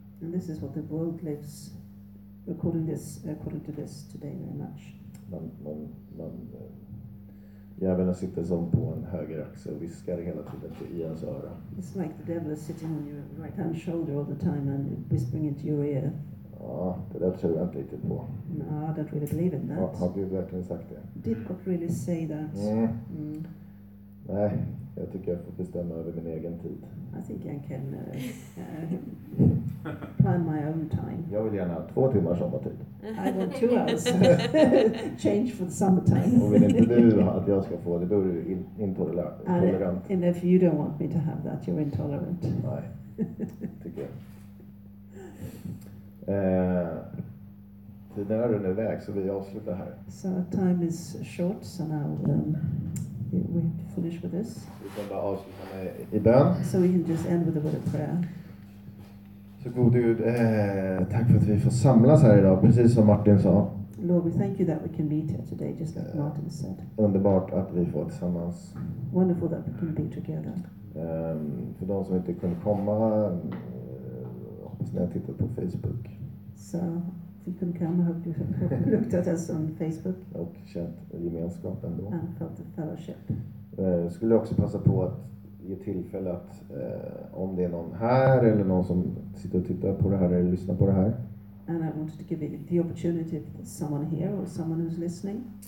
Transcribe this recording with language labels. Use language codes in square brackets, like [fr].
[en] And this is what the world lives according to this today very much. [sv] Man djävulen sitter som på en höger axel och viskar hela tiden till ens öra. [en] It's like the devil is sitting on your right hand shoulder all the time and whispering into your ear. [sv] Ja, det där tror jag inte riktigt på. [en] No, I don't really believe in that. [sv] Har Gud verkligen sagt det? [en] Did God really say that? [sv] Nej, jag tycker jag får bestämma över min egen tid. [en] I think I can plan my own time. [sv] Jag vill gärna ha 2 timmar sommartid. [en] I want 2 hours. Change for the summertime. [sv] Och vill inte du att jag ska få det, då är du intolerant. [en] And if you don't want me to have that, you're intolerant. [sv] Nej, tycker jag. Tiden är under väg, så vi avslutar här. [en] So time is short, so now we have to finish with this. [sv] Vi kan bara avsluta med i bön. [en] So we can just end with a word of prayer. [sv] Så gode Gud, tack för att vi får samlas här idag, precis som Martin sa. [en] Lord, we thank you that we can meet here today, just like Martin said. [sv] Underbart att vi får tillsammans. [en] Wonderful that we can be together. [sv] För de som inte kunde komma, hoppas ni har tittat på Facebook. [en] So, if you can come, I hope you have looked at us on Facebook. [sv] Och känt gemenskap ändå. [en] And felt the fellowship. [sv] Skulle också passa på att ge tillfälle att om det är någon här eller någon som sitter och tittar på det här eller lyssnar på det här. [en] And I wanted to give you the opportunity if there's someone here or someone who's listening.